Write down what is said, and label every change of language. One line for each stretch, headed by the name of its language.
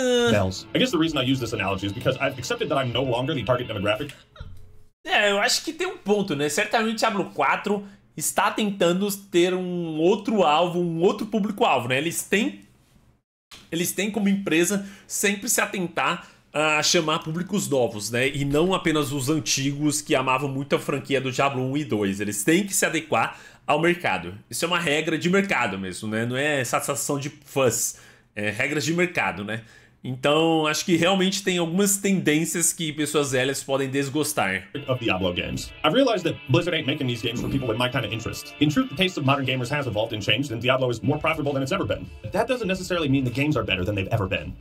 English: Bells. I guess the reason I use this analogy is because I've accepted that I'm no longer the target demographic...
Portuguese: É, eu acho que tem um ponto, né? Certamente Diablo 4 está tentando ter um outro alvo, um outro público-alvo, né? Eles têm como empresa sempre se atentar a chamar públicos novos, né? E não apenas os antigos que amavam muito a franquia do Diablo 1 e 2. Eles têm que se adequar ao mercado. Isso é uma regra de mercado mesmo, né? Não é satisfação de fãs. É regras de mercado, né? Então, acho que realmente tem algumas tendências que pessoas velhas podem desgostar.
English: ...of Diablo games. I've realized that Blizzard ain't making these games for people with my kind of interest. In truth, the taste of modern gamers has evolved and changed, and Diablo is more profitable than it's ever been. But that doesn't necessarily mean the games are better than they've ever been.